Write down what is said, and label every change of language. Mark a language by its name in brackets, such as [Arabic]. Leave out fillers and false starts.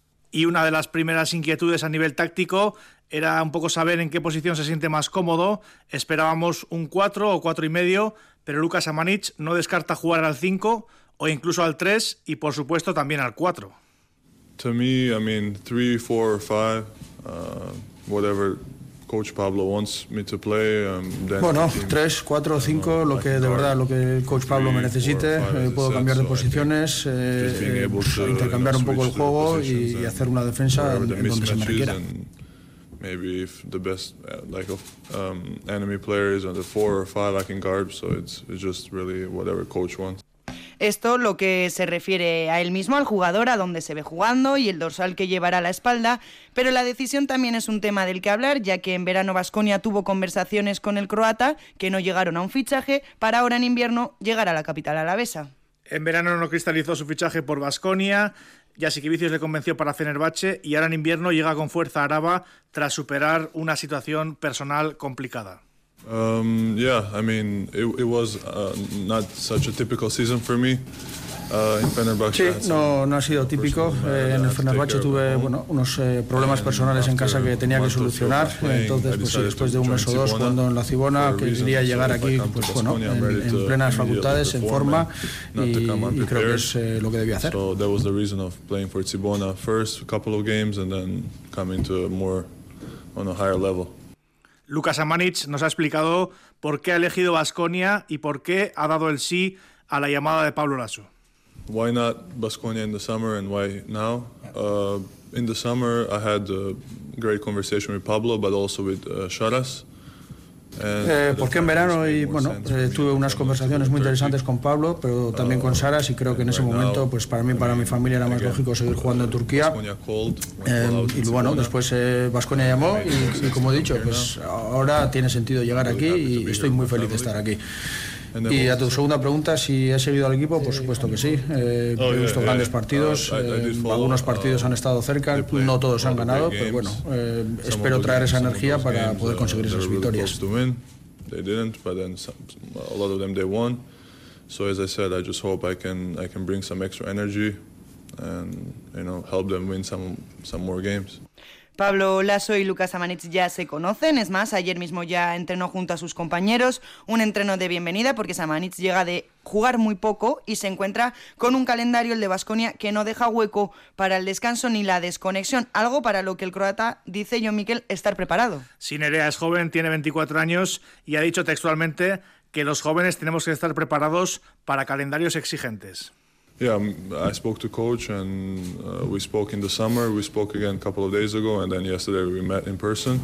[Spanish] Y una de las primeras inquietudes a nivel táctico era un poco saber en qué posición se siente más cómodo. Esperábamos un 4 o 4 y medio, pero Lucas Samanic no descarta jugar al 5 o incluso al 3 y, por supuesto, también al 4. [English] To me, I mean, 3, 4 or 5, whatever coach Pablo wants me to play. [Spanish] Bueno, 3, 4 o 5, lo que de verdad, lo que el coach Pablo me necesite, puedo cambiar de posiciones, intercambiar un poco el juego y hacer una defensa en donde se me requiera. [English] Maybe if the best like of enemy player is on the 4 or 5 I can guard, so it's just really whatever coach wants. [Spanish] Esto lo que se refiere a él mismo, al jugador, a dónde se ve jugando y el dorsal que llevará a la espalda. Pero la decisión también es un tema del que hablar, ya que en verano Baskonia tuvo conversaciones con el croata, que no llegaron a un fichaje, para ahora en invierno llegar a la capital alavesa. En verano no cristalizó su fichaje por Baskonia, y a Sikivicius le convenció para Fenerbahce, y ahora en invierno llega con fuerza a Araba tras superar una situación personal complicada. Sí, no ha sido típico. En el Fenerbahce tuve unos problemas personales en casa que tenía que solucionar. Entonces, pues, sí, después de un mes o dos jugando en la Cibona, quería llegar aquí pues, bueno, en plenas facultades, en forma, y creo que es lo que debía hacer. [English] So that was the reason of playing for Cibona first, a couple of games, and then coming to more on a higher level. [Spanish] Luka Samanić nos ha explicado por qué ha elegido Baskonia y por qué ha dado el sí a la llamada de Pablo Laso. [English] Why not Baskonia in the summer and why now? In the summer I had a great conversation with Pablo but also with Sharas. [Spanish] Porque en verano y bueno, tuve unas conversaciones muy interesantes con Pablo, pero también con Saras, y creo que en ese momento, pues para mí y para mi familia era más lógico seguir jugando en Turquía. Y bueno, después Baskonia llamó y como he dicho, pues ahora tiene sentido llegar aquí y estoy muy feliz de estar aquí. Y a tu segunda pregunta, si he seguido al equipo, por supuesto que sí. He visto grandes partidos, algunos partidos han estado cerca, no todos han ganado, pero bueno, espero traer esa energía para poder conseguir esas victorias. [English] They didn't, but then a lot of them they won. So as I said, I just hope I can bring some extra energy and, you know, help them win some more games. [Spanish] Pablo Laso y Luka Samanić ya se conocen, es más, ayer mismo ya entrenó junto a sus compañeros, un entreno de bienvenida porque Samanić llega de jugar muy poco y se encuentra con un calendario, el de Baskonia, que no deja hueco para el descanso ni la desconexión, algo para lo que el croata dice, John Mikel, estar preparado. Sí, Nerea es joven, tiene 24 años y ha dicho textualmente que los jóvenes tenemos que estar preparados para calendarios exigentes. [English] Yeah, I spoke to coach and we spoke in the summer. We spoke again a couple of days ago and then yesterday we met in person.